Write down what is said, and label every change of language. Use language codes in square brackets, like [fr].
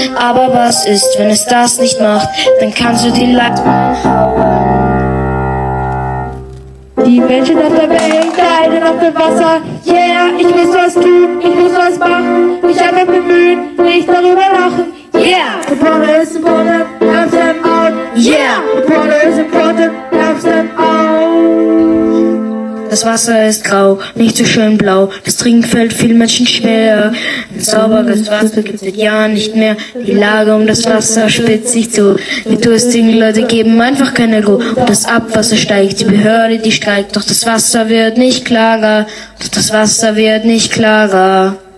[de] Aber was ist, wenn es das nicht macht, dann kannst du die Leitung hauen. Die Menschen auf der Welt leiden auf dem Wasser. Yeah, ich muss was tun, ich muss was machen. Mich einfach bemühen, nicht darüber lachen. [en] Yeah, the problem is important, help them out. Yeah, the problem is important, help them out. [de] Das Wasser ist grau, nicht so schön blau. Das Trinken fällt vielen Menschen schwer. Ein sauberes Wasser gibt es seit Jahren nicht mehr. Die Lage um das Wasser spitzt sich zu. Die durstigen Leute geben einfach keine Ruhe. Und das Abwasser steigt, die Behörde, die streikt. Doch das Wasser wird nicht klarer. Doch das Wasser wird nicht klarer.